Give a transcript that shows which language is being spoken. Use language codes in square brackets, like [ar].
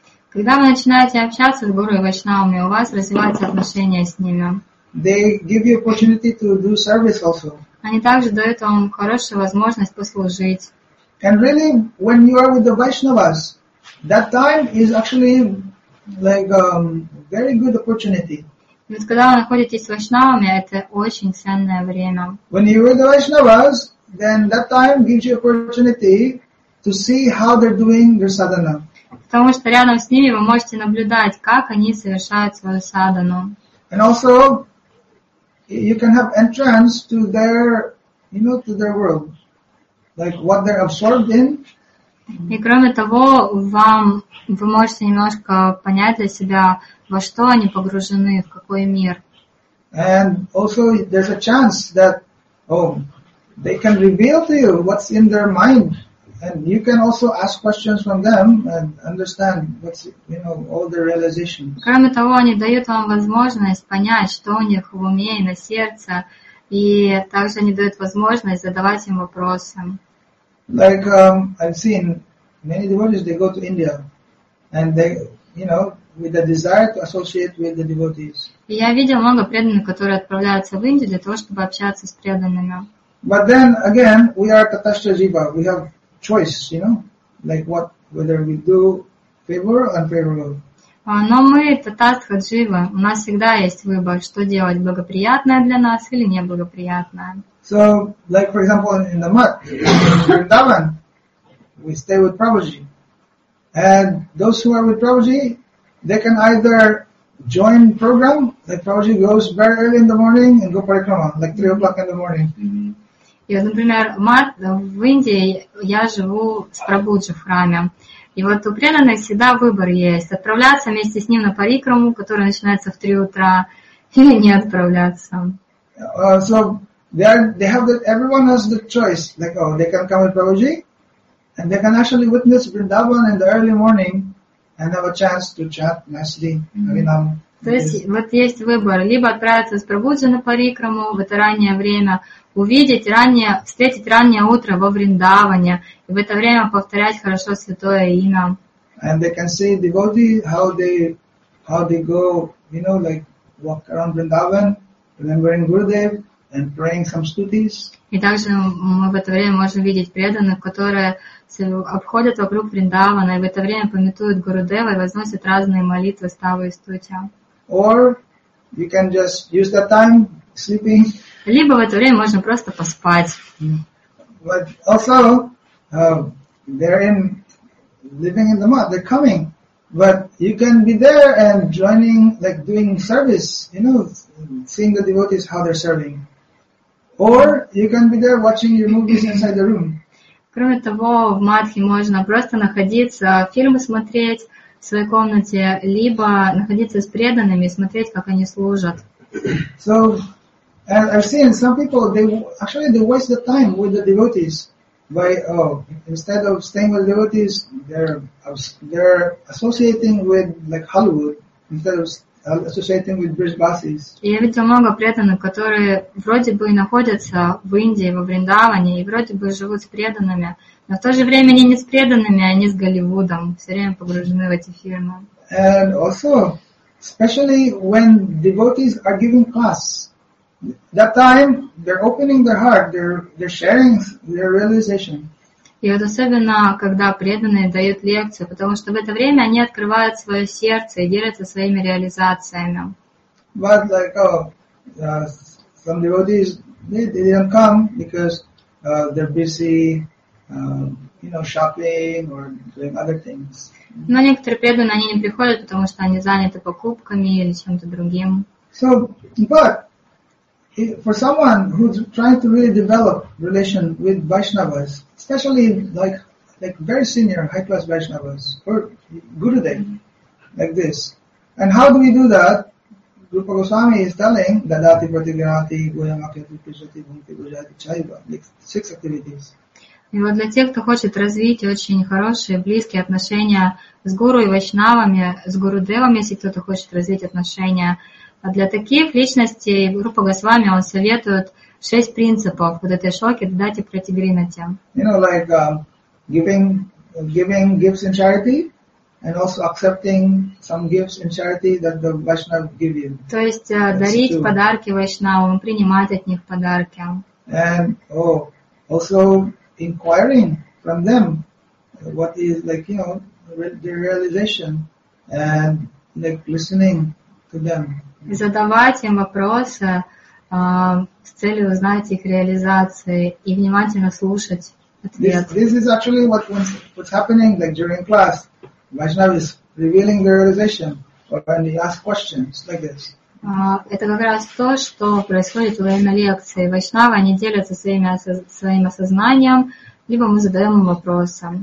[ru] Когда вы начинаете общаться с Гуру и Вайшнавами, у вас развиваются отношения с ними. [en] They give you opportunity to do service also. [ru] Они также дают вам хорошую возможность послужить. [en] And really, when you are with the Vaishnavas, that time is actually like a very good opportunity. [ru] Ведь когда вы находитесь с Вайшнавами, это очень ценное время. [en] When you're with the Vaishnavas, then that time gives you opportunity to see how they're doing their sadhana. [ru] Потому что рядом с ними вы можете наблюдать, как они совершают свою садхану. [en] And also, you can have entrance to their, you know, to their world, like what they're absorbed in. [ru] И кроме того, вы можете немножко понять для себя, во что они погружены, в какой мир. [en] And also, there's a chance that, they can reveal to you what's in their mind. And you can also ask questions from them and understand what's, you know, all their realizations. [ru] Кроме того, они дают вам возможность понять, что у них в уме и на сердце, и также они дают возможность задавать им вопросы. [en] Like I've seen many devotees, they go to India, and they, you know, with the desire to associate with the devotees. [ru] Я видел много преданных, которые отправляются в Индию для того, чтобы общаться с преданными. [en] But then again, we are tatastra jiva. We have choice, you know, like what, whether we do favor or unfavorable. [ru] Но мы татастха джива. У нас всегда есть выбор, что делать, благоприятное для нас или неблагоприятное. [en] So, like for example, in the mat, in Vrindavan, we stay with Prabhuji. And those who are with Prabhuji, they can either join program, like Prabhuji goes very early in the morning and go parikrama, like 3 o'clock in the morning. [ru] И, например, в Индии я живу с Прабуджи в храме. И вот у преданных всегда выбор есть. Отправляться вместе с ним на парикраму, которая начинается в 3 утра, или не отправляться. [en] So they have that everyone has the choice. Like, oh, they can come with Prabhuji, and they can actually witness Vrindavan in the early morning and have a chance to chat nicely. Mm-hmm. [ru] То есть вот есть выбор, либо отправиться с Прабуджи на парикраму в это раннее время, увидеть раннее, встретить раннее утро во Вриндаване, и в это время повторять хорошо святое имя. [en] And they can see devotee how they go, you know, like walk around Vrindavan, remembering Gurudev and praying some stutis. [ru] И также мы в это время можем видеть преданных, которые обходят вокруг Вриндавана, и в это время памятуют Гурудева и возносят разные молитвы, ставы и стутя. [en] Or you can just use that time sleeping. [ru] Либо в это время можно просто поспать. [en] But also, they're in living in the mat. They're coming, but you can be there and joining, like doing service. You know, seeing the devotees how they're serving. Or you can be there watching your movies inside the room. [ru] Кроме того, в матхе можно просто находиться, фильмы смотреть в своей комнате, либо находиться с преданными и смотреть, как они служат. [en] So, and I've seen some people, they waste the time with the devotees by, instead of staying with devotees, they're associating with, like, Hollywood, instead of associating with British buses. [ru] И я видел много преданных, которые вроде бы находятся в Индии, во Вриндаване, и вроде бы живут с преданными, но в то же время они не с преданными, а они с Голливудом, все время погружены в эти фильмы. [en] And also, especially when devotees are giving class, that time they're opening their heart, they're sharing their realization. [ru] И вот особенно, когда преданные дают лекцию, потому что в это время они открывают свое сердце и делятся своими реализациями. [en] But like, some devotees, they didn't come because they're busy, you know, shopping or doing other things. [ru] Но некоторые преданные, они не приходят, потому что они заняты покупками или чем-то другим. [en] So, but for someone who's trying to really develop relation with Vaishnavas, especially like very senior, high-class Vaishnavas, or Gurudev, like this. And how do we do that? Rupa Goswami is telling, [sa] Dadati Pratigyanati, Goyamakyati, Prishati, Bhunti, Gujati, Chaiva, [en] like six activities. [ru] И вот для тех, кто хочет развить очень хорошие, близкие отношения с Гуру и Вайшнавами, с Гурудевами, если кто-то хочет развить отношения, а для таких личностей Рупа Госвами он советует шесть принципов вот этой шоки дать и протигринати. [en] You know, like giving gifts in charity and also accepting some gifts in charity that the Vaishnav give you. [ru] То есть дарить true. Подарки Вайшнавам, принимать от них подарки. [en] And also inquiring from them what is, like, you know, their realization and, like, listening to them. [ru] Задавать им вопросы с целью узнать их реализации и внимательно слушать. [en] This is actually what's happening like during class. Vaishnava is revealing the realization when he asks questions like this. [ru] Это как раз то, что происходит во время лекции. Вайшнавы, они делятся своим осознанием, либо мы задаем им вопросы.